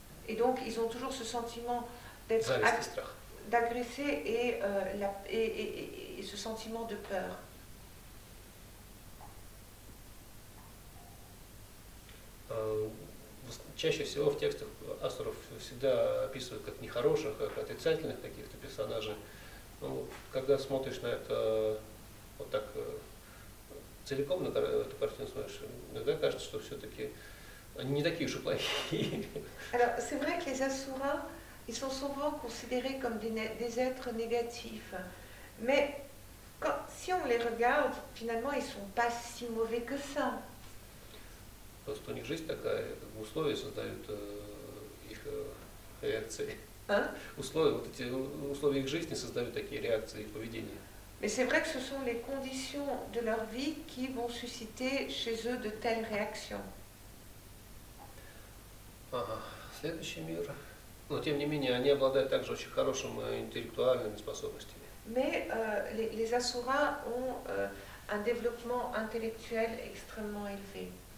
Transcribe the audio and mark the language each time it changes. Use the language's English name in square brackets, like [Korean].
[French] Et donc, ils ont toujours ce sentiment d'être d'agresser et, la, et ce sentiment de peur. [Russian] Чаще всего в текстах асуров всегда описывают как нехороших, как отрицательных каких-то персонажей. Ну, когда смотришь на это вот так целиком, на эту картину смотришь, иногда кажется, что все-таки они не такие уж и плохие. [French] Alors, c'est vrai que les Asuras, ils sont souvent considérés comme des êtres négatifs. Mais quand, si on les regarde, finalement, ils ne sont pas si mauvais que ça. [Russian] Просто у них жизнь такая, условия создают их реакции. Условия, вот эти условия их жизни создают такие реакции и поведение. [French] Mais c'est vrai que ce sont les conditions de leur vie qui vont susciter chez eux de telles réactions. [Russian] Следующий мир. Но тем не менее, они обладают также очень хорошими интеллектуальными способностями. [French] Mais les Asuras ont un développement intellectuel extrêmement élevé.